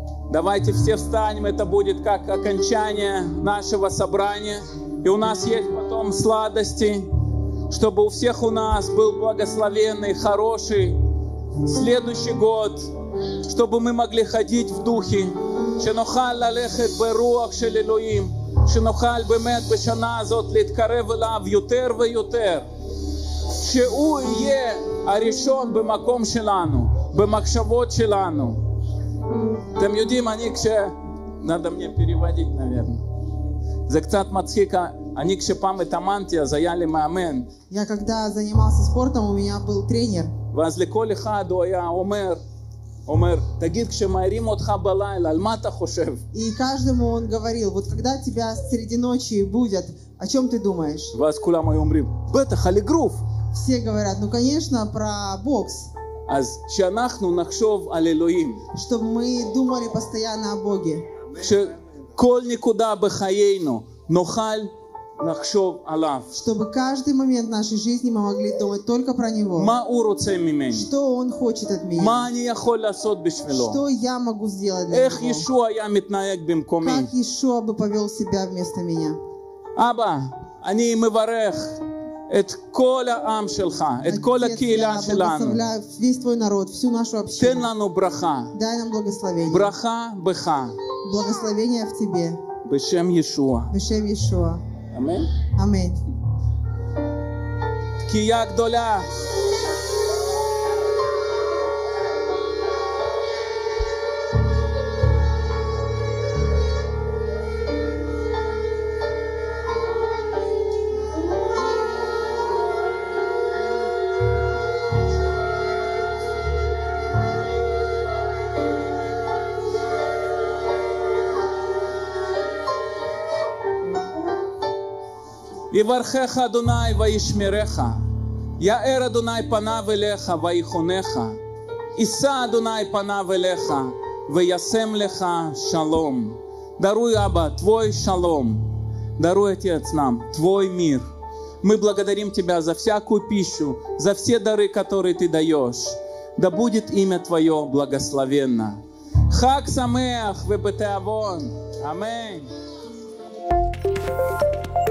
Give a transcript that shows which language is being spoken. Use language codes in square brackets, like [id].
[ru] Давайте все встанем, это будет как окончание нашего собрания. И у нас есть потом сладости, чтобы у всех у нас был благословенный, хороший следующий год, чтобы мы могли ходить в духе. [he] שנוכל ללכת ברוח של אלוהים, שנוכל באמת בשנה הזאת להתקרב אליו יותר ויותר, שהוא יהיה הראשון במקום שלנו, במחשבות שלנו. אתם יודעים, אני כש... [ru] надо мне переводить, наверное. [he] זה קצת מצחיק, אני כשפעם התאמנתי, אז היה לי מאמן. [ru] Я когда занимался спортом, у меня был тренер. [he] ואז לכל אחד הוא היה אומר, אומר, תגיד כשמערים אותך בלילה, על מה אתה חושב? [ru] И каждому он говорил, вот когда тебя среди ночи будет, о чем ты думаешь? [he] ואז כולם היו אומרים, בטח, על אגרוף. [ru] Все говорят, ну конечно, про бокс. [he] אז שאנחנו נחשוב על אלוהים. [ru] Чтоб мы думали постоянно о Боге. [he] שכל נקודה בחיינו נוכל לחשוב עליו. [ru] Чтобы каждый момент нашей жизни мы могли думать только про него. [he] מה הוא רוצה ממני? [ru] Что он хочет от меня? [he] מה אני יכול לעשות בשבילו? [ru] Что я могу сделать для него? [he] איך ישוע היה מתנהג במקומי? [ru] Как ישוע бы повел себя вместо меня? [he] אבא, אני מברך את כל העם שלך, את כל הקהילה שלנו. [ru] Весь твой народ, всю нашу общину. [he] תן לנו ברכה. [ru] Дай нам благословение. [he] ברכה בך. [ru] Благословение в тебе. [he] בשם ישוע. בשם ישוע. אמן. אמן. תקיעה גדולה. יברכך אדוני וישמרך, יאר אדוני פניו אליך ויחונך, ישא אדוני פניו אליך וישם לך שלום. [ru] Даруй, Аба, твой шалом. Даруй, Отец, нам твой мир. Мы благодарим тебя за всякую пищу, за все дары, которые ты даешь. Да будет имя твое благословенно. [he] Хаг самеах в Бетеавон. [ru] Аминь.